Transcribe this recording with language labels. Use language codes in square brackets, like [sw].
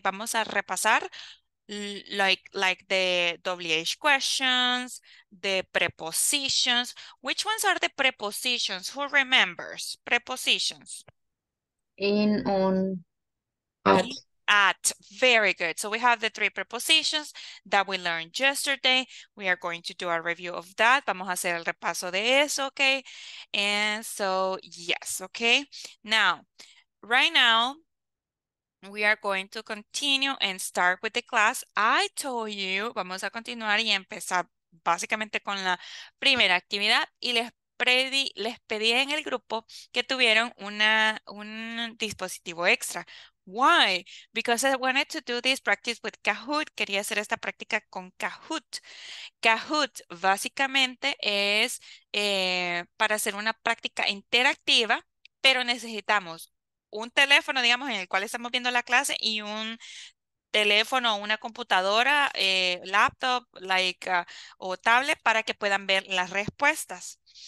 [es] Vamos a repasar [en] like the WH questions, the prepositions. Which ones are the prepositions? Who remembers prepositions? In, on, at. In. At, very good. So we have the three prepositions that we learned yesterday. We are going to do a review of that. [es] Vamos a hacer el repaso de eso, okay? [en] And so, yes, okay. Now, right now, we are going to continue and start with the class. I told you, [es] vamos a continuar y empezar básicamente con la primera actividad y les pedí en el grupo que tuvieron un dispositivo extra. [en] Why? Because I wanted to do this practice with Kahoot. [es] Quería hacer esta práctica con Kahoot. Kahoot básicamente es para hacer una práctica interactiva, pero necesitamos un teléfono, digamos, en el cual estamos viendo la clase y un teléfono, una computadora, laptop, o tablet para que puedan ver las respuestas.